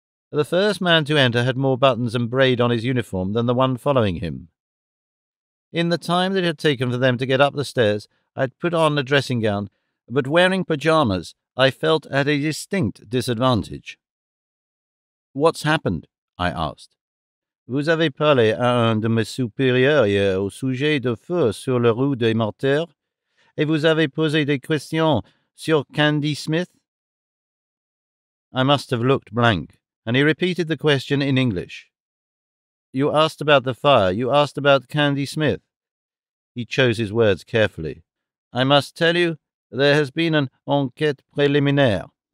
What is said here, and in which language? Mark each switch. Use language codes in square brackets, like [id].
[en] The first man to enter had more buttons and braid on his uniform than the one following him. In the time that it had taken for them to get up the stairs, I had put on a dressing gown, but wearing pyjamas, I felt at a distinct disadvantage. "What's happened?" I asked. [fr] "Vous avez parlé à un de mes supérieurs hier au sujet de feu sur la rue des Martyrs, et vous avez posé des questions sur Candy Smith?" [en] I must have looked blank, and he repeated the question in English. "You asked about the fire, you asked about Candy Smith." He chose his words carefully. "I must tell you, there has been an [fr] enquête préliminaire."